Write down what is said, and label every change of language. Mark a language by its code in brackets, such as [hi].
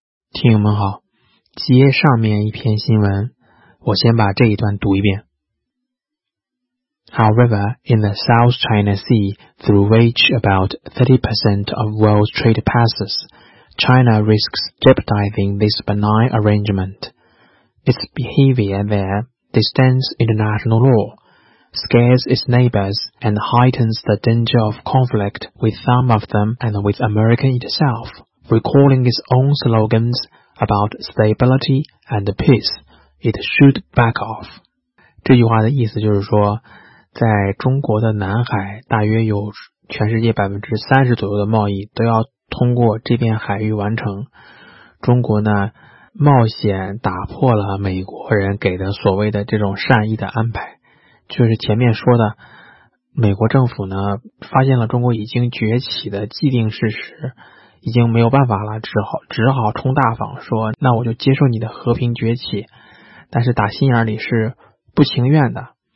[zh] 听友们好，接上面一篇新闻，我先把这一段读一遍。 [en] However, in the South China Sea, through which about 30% of world trade passes, China risks jeopardizing this benign arrangement. Its behavior there distends international law, scares its neighbors, and heightens the danger of conflict with some of them and with America itself, recalling its own slogans about stability and peace. It should back off. [zh] 这句话的意思就是说，在中国的南海，大约有全世界30%左右的贸易都要通过这片海域完成。中国呢，冒险打破了美国人给的所谓的这种善意的安排，就是前面说的，美国政府呢发现了中国已经崛起的既定事实，已经没有办法了，只好冲大方说，那我就接受你的和平崛起，但是打心眼里是不情愿的。